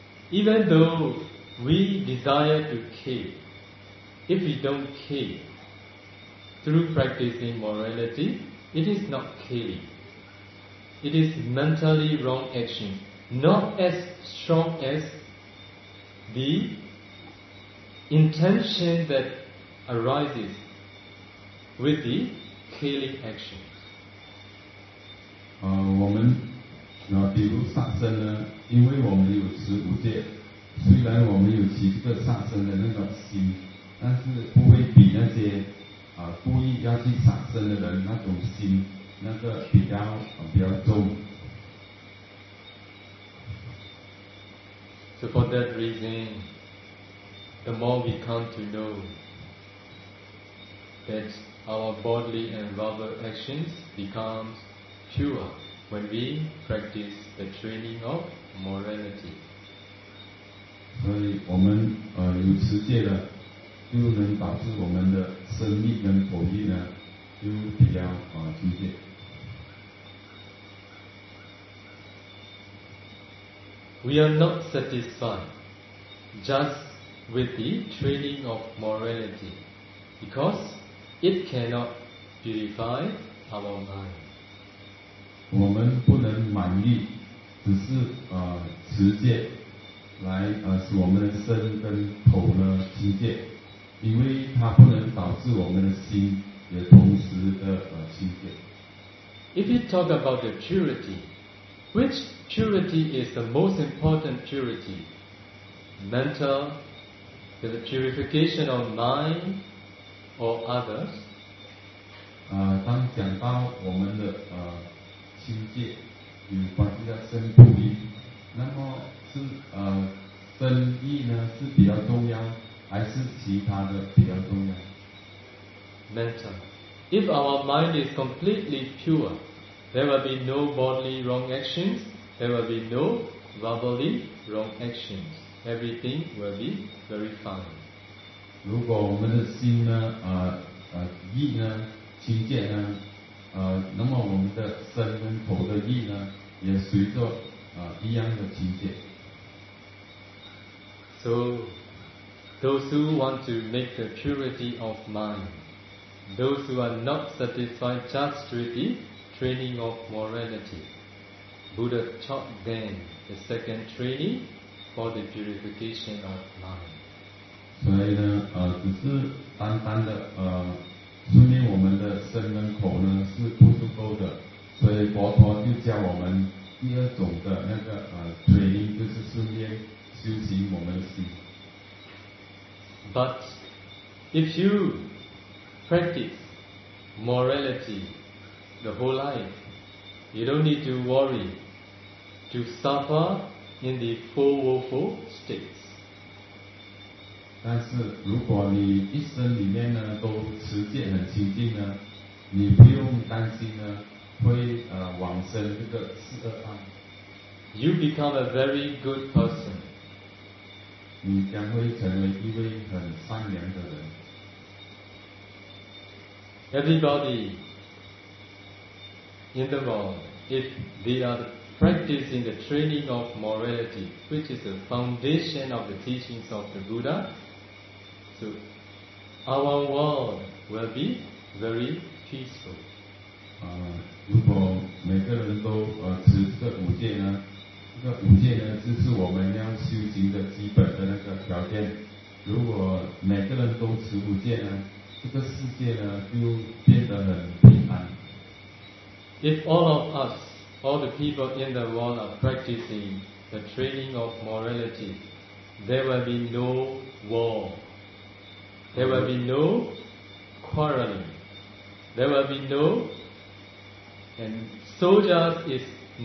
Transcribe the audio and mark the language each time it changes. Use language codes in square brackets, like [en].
[en] Even though we desire to keep, if we don't keep, through practicing morality, it is not keeping. It is mentally wrong action, not as strong as the intention that arises with the keeping action. [zh] 我们比如杀生呢，因为我们有持五戒，虽然我们有起这个杀生的那个心，但是不会比那些故意要去杀生的人那种心那个比较重。 [en] So for that reason, the more we come to know that our bodily and verbal actions becomes pure. When we practice the training of morality, [zh] 所以我们有持戒了，就能导致我们的生命跟口业呢，就比较清净。 [en] We are not satisfied just with the training of morality, because it cannot purify our mind. [zh] 我们不能满意，只是持戒来使我们的身跟口呢清净，因为它不能导致我们的心也同时的清净。 [en] If you talk about the purity, which purity is the most important purity? Mental, the purification of mind, or others? [zh] 当讲到我们的清洁与关系到身不利，那么是身意呢是比较重要，还是其他的比较重要 [en] ？Mental. If our mind is completely pure, there will be no bodily wrong actions. There will be no verbally wrong actions. Everything will be very fine. [zh] 如果我们的心呢意呢清洁呢？那么我们的身跟口的意呢，也随着一样的境界。 [en] So, those who want to make the purity of mind, those who are not satisfied just with the training of morality, Buddha taught them the second training for the purification of mind. [zh] 所以呢，只是单单的说明我们的身跟口呢是不足够的，所以佛陀就教我们第二种的那个training，就是顺便修行我们的心。 [en] But if you practice morality the whole life, you don't need to worry to suffer in the four woeful states. [zh] 但是如果你一生里面呢都持戒很清净呢，你不用担心呢会往生这个四恶道。 [en] You become a very good person. [zh] 你将会成为一位很善良的人。 [en] Everybody in the world, if they are practicing the training of morality, which is the foundation of the teachings of the Buddha. So, our world will be very peaceful. [zh] 如果每个人都持这个五戒呢，这个五戒呢，就是我们要修行的基本的那个条件。如果每个人都持五戒呢，这个世界呢就变得很平安。 [en] If all of us, all the people in the world are practicing the training of morality, there will be no war. There will be no quarreling. There will be no, and soldiers is